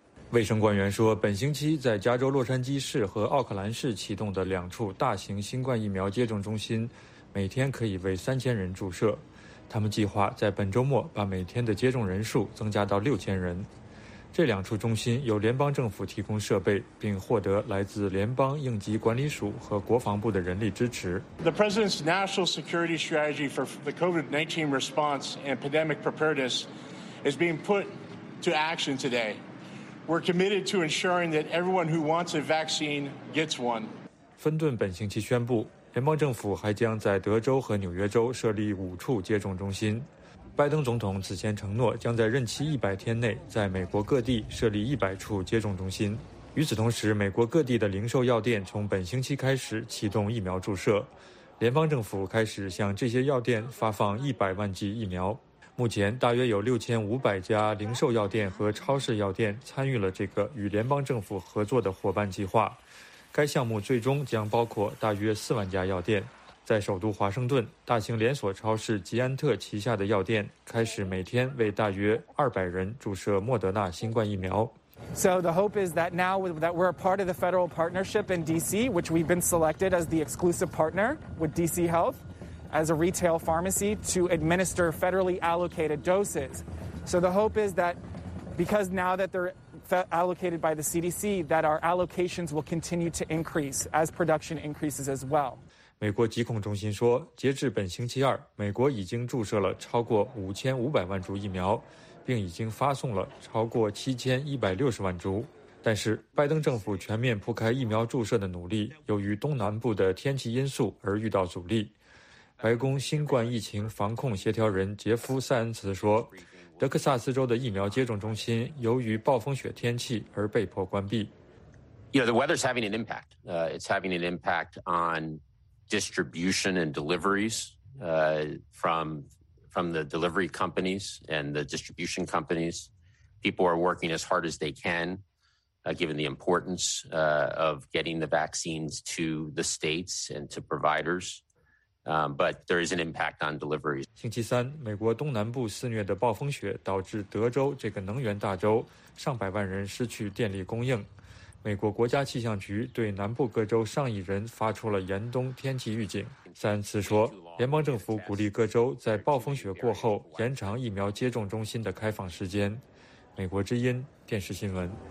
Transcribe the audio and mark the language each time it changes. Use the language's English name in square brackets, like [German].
[Chinese] 卫生官员说，本星期在加州洛杉矶市和奥克兰市启动的两处大型新冠疫苌接种中心每天可以为3000人注射，他们计划在本周末把每天的接种人数增加到6000人。这两处中心由联邦政府提供设备，并获得来自联邦应急管理署和国防部的人力支持。 [English] The President's National Security Strategy for the COVID-19 response and pandemic preparedness is being put to action today. We're committed to ensuring that everyone who wants a vaccine gets one. [Chinese] 芬顿本星期宣布，联邦政府还将在德州和纽约州设立5处接种中心。拜登总统此前承诺将在任期100天内在美国各地设立100处接种中心。与此同时，美国各地的零售药店从本星期开始启动疫苗注射，联邦政府开始向这些药店发放100万剂疫苗。目前大约有6500家零售药店和超市药店参与了这个与联邦政府合作的伙伴计划，该项目最终将包括大约40000家药店。在首都华盛顿，大型连锁超市吉安特旗下的药店开始每天为大约200人注射莫德纳新冠疫苗。 [English] So the hope is that now that we're a part of the federal partnership in DC, which we've been selected as the exclusive partner with DC Health as a retail pharmacy to administer federally allocated doses. So the hope is that because now that they're allocated by the CDC, that our allocations will continue to increase as production increases as well. [Chinese] 美国疾控中心说，截至本星期二，美国已经注射了超过5500万株疫苗，并已经发送了超过7160万株。但是，拜登政府全面铺开疫苗注射的努力，由于东南部的天气因素而遇到阻力。白宫新冠疫情防控协调人杰夫·塞恩茨说，德克萨斯州的疫苗接种中心由于暴风雪天气而被迫关闭。 [English] You know, the weather's having an impact. It's having an impact on distribution and deliveries from the delivery companies and the distribution companies. People are working as hard as they can, given the importance of getting the vaccines to the states and to providers. But there is an impact on deliveries. [Chinese] 星期三，美国东南部肆虐的暴风雪导致德州这个能源大州上百万人失去电力供应。美国国家气象局对南部各州上亿人发出了严冬天气预警。塞恩茨说，联邦政府鼓励各州在暴风雪过后延长疫苗接种中心的开放时间。美国之音电视新闻。